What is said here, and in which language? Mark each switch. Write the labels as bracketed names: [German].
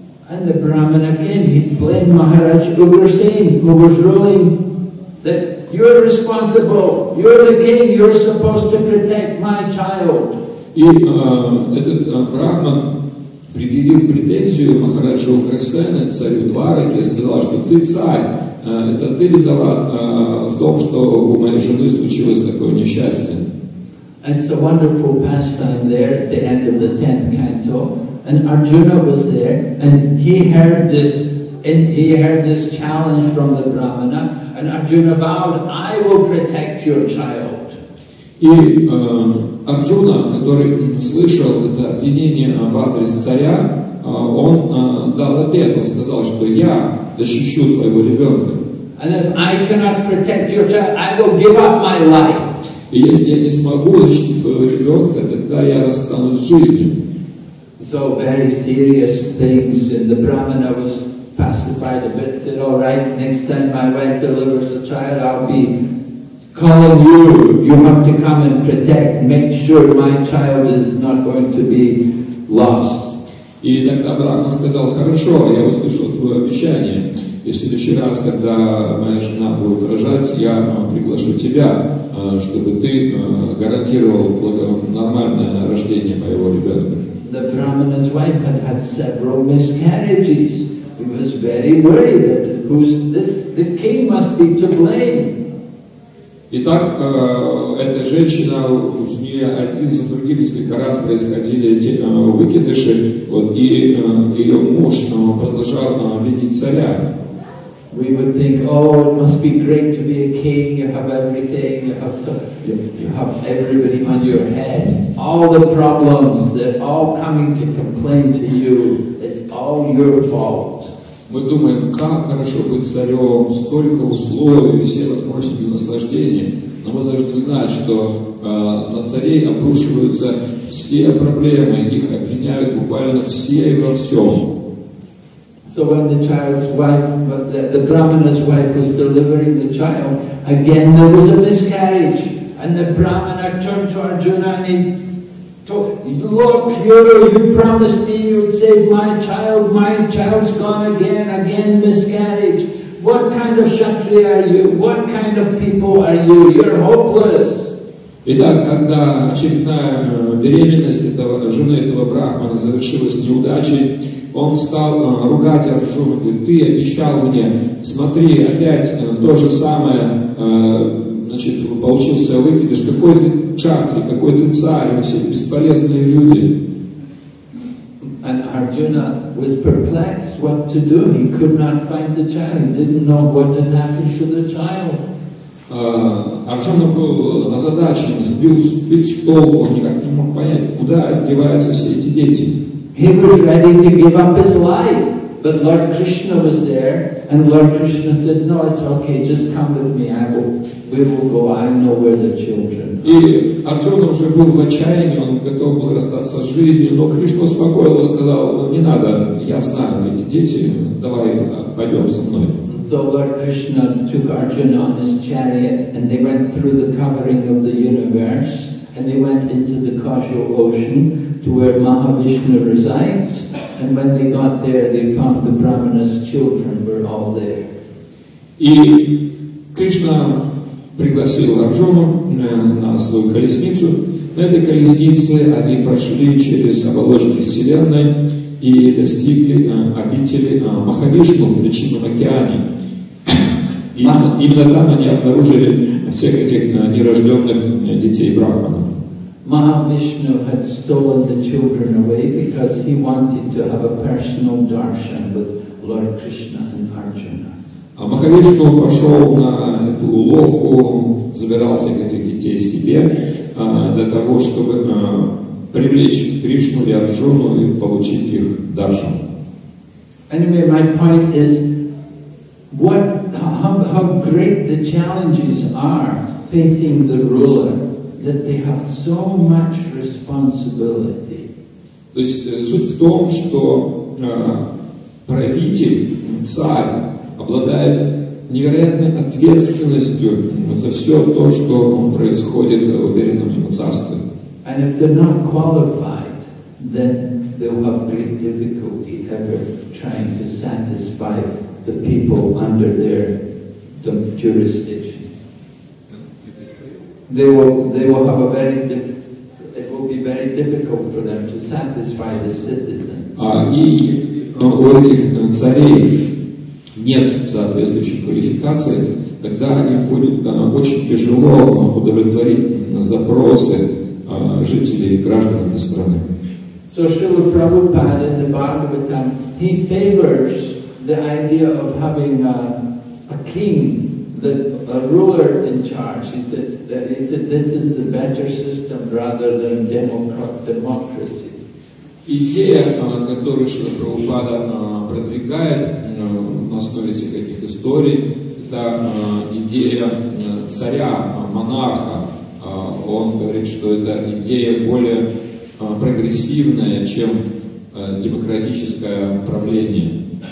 [English] And the brahmana came, he blamed Maharaj Ugrasen, who was ruling, that you're responsible, you're the king, you're supposed to protect my child. [Russian] И этот брахман предъявил претензию Махараджу Уграсену, царю Двараке, и сказал, что ты царь, это ты виноват в том, что у моей жены случилось такое несчастье. [English] It's a wonderful pastime there at the end of the 10th canto. And Arjuna was there, and he heard this challenge from the brahmana, and Arjuna vowed, I will protect your child. [Russian] И Арджуна, который слышал это обвинение в адрес царя, он дал ответ, он сказал, что я защищу твоего ребенка. [English] And if I cannot protect your child, I will give up my life. [Russian] И если я не смогу защитить твоего ребенка, тогда я расстанусь с жизнью. [English] So very serious things, and the brahmana was pacified a bit. Said, all right, next time my wife delivers a child, I'll be calling you. You have to come and protect, make sure my child is not going to be lost. [Russian] И тогда брахман сказал, хорошо, я услышал твое обещание. И в следующий раз, когда моя жена будет рожать, я приглашу тебя, чтобы ты гарантировал нормальное рождение моего ребенка. [English] The brahmana's wife had had several miscarriages. He was very worried that the king must be to blame. [Russian] Итак, эта женщина, у нее один за другим несколько раз происходили эти выкидыши, вот, и ее муж продолжал винить царя. [English] We would think, oh, it must be great to be a king, you have everything, you have everybody on your head. All the problems, they're all coming to complain to you, it's all your fault. [Russian] Мы думаем, как хорошо быть царем, столько условий, все возможности наслаждения. Но мы должны знать, что на царей обрушиваются все проблемы, их обвиняют буквально все и во всем. [English] So when the child's wife, the brahmana's wife was delivering the child, again there was a miscarriage. And the brahmana turned to Arjuna and he told, look, you promised me you would save my child's gone again miscarriage. What kind of kshatriya are you? What kind of people are you? You're hopeless. [Russian] Итак, когда очередная беременность этого жены этого брахмана завершилась неудачей, он стал ругать Арджуну, говорит, ты обещал мне, смотри, опять то же самое, значит, получился выкидыш, какой ты кшатри, какой ты царь, все бесполезные люди. [English] And Arjuna was perplexed what to do. He could not find the child, didn't know what had happened to the child. [Russian] Арджуна был озадачен, сбит с толку, он никак не мог понять, куда деваются все эти дети. [English] He was ready to give up his life, but Lord Krishna was there, and Lord Krishna said, no, it's okay, just come with me, we will go, I know where the children are. [Russian] И Арджуна уже был в отчаянии, он готов был расстаться с жизнью, но Кришна успокоил и сказал, не надо, я знаю, эти дети, давай пойдем со мной. [English] So Lord Krishna took Arjuna on his chariot and they went through the covering of the universe and they went into the causal ocean to where Mahavishnu resides and when they got there they found the Brahmana's children were all there. [Russian] И Кришна пригласил Арджуну на свою колесницу. На этой колеснице они прошли через оболочки Вселенной и достигли обители Махавишну в Причинном океане. И именно там они обнаружили всех этих нерожденных детей брахмана. [English] Mahavishnu had stolen the children away because he wanted to have a personal darshan with Lord Krishna and Arjuna. [Russian] А Махавишну пошел на эту уловку, забирал всех этих детей себе для того, чтобы привлечь Кришну и Арджуну и получить их даршан. [English] Anyway, my point is, how great the challenges are facing the ruler, that they have so much responsibility. [Russian] То есть суть в том, что правитель, царь, обладает невероятной ответственностью за все то, что происходит в уверенном ему царстве. [English] And if they're not qualified, then they will have great difficulty ever trying to satisfy the people under their jurisdiction. They will have a very it will be very difficult for them to satisfy the citizens. [Russian] У этих царей нет соответствующей квалификации, тогда им будет очень тяжело удовлетворить запросы жителей и граждан этой страны. [English] So Srila Prabhupada in the Bhagavatam, he favors the idea of having a king, a ruler in charge. He said this is a better system rather than democracy. [Russian] Идея, которую Шри Прабхупада продвигает на основе всех этих историй, это идея царя, монарха. Он говорит, что это идея более прогрессивная, чем демократическое правление.